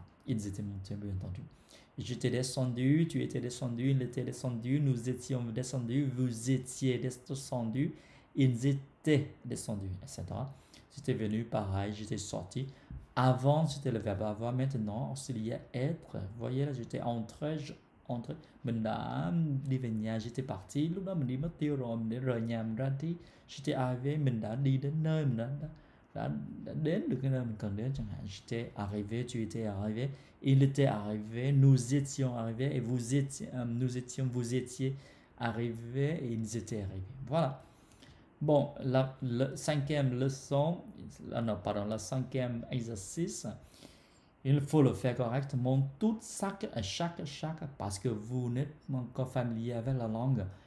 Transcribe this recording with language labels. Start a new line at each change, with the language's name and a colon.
French: Ils étaient montés, bien entendu. J'étais descendu, tu étais descendu, il était descendu, nous étions descendus, vous étiez descendu, ils étaient descendus, etc. J'étais venu, pareil, j'étais sorti. Avant, c'était le verbe avoir, maintenant, auxiliaire être. Vous voyez là, j'étais entré, entré. Maintenant, j'étais parti.
Vietnamese: Lúc đó, mình đi mất tiêu rồi, mình đi rời nhà, mình ra đi.
French: J'étais arrivé,
Vietnamese: mình đã đi đến nơi, mình đã đến được cái nơi mình cần đến, chẳng hạn.
French: J'étais arrivé, tu étais arrivé, il était arrivé, nous étions arrivés et vous étiez arrivés et ils étaient arrivés. Voilà. Bon, la cinquième leçon, non, pardon, le cinquième exercice, il faut le faire correctement, tout chaque, parce que vous n'êtes pas encore familier avec la langue.